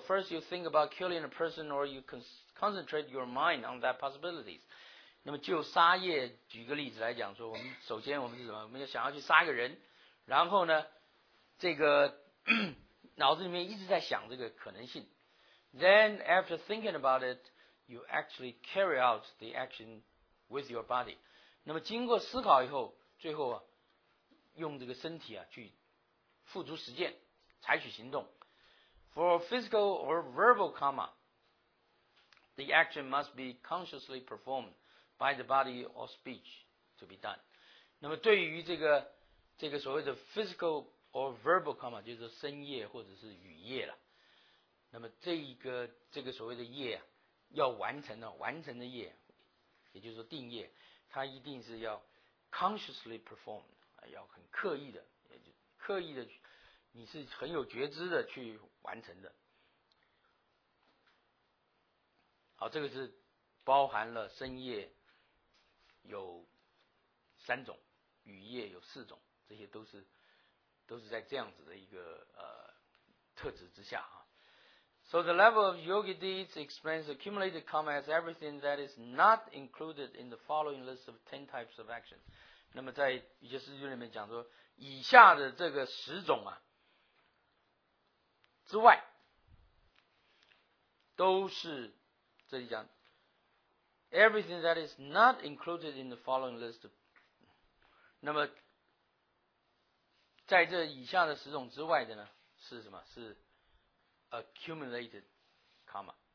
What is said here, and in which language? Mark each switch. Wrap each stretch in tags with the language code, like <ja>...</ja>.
<en>First you think about killing a person, or you concentrate your mind on that possibilities.</en> <zh>那么就杀业举个例子来讲说，我们首先我们是什么，我们想要去杀一个人，然后呢这个脑子里面一直在想这个可能性。</zh> <en>Then after thinking about it, you actually carry out the action with your body.</en> <zh>那么经过思考以后，最后啊，用这个身体啊去付诸实践，采取行动。</zh> <en>For physical or verbal karma, the action must be consciously performed by the body or speech to be done.</en> <zh>那么对于这个所谓的</zh> <en>physical or verbal karma,</en> <zh>就是身业或者是语业了。那么这个所谓的业啊，要完成的，完成的业，也就是说定业，它一定是要</zh> <en>consciously performed,</en> <zh>要很刻意的，也就刻意的，你是很有觉知的去完成的。好，这个是包含了身业有三种，语业有四种，这些都是在这样子的一个特质之下啊。</zh> <en>So the level of yogi deeds explains accumulated karma as everything that is not included in the following list of 10 types of action.</en> <zh>那么在瑜伽师经里面讲说，以下的这个十种啊之外，都是这里讲</zh> <en>everything that is not included in the following list of,</en> <zh>那么在这以下的十种之外的呢是什么，是</zh> <en>Accumulated karma,</en>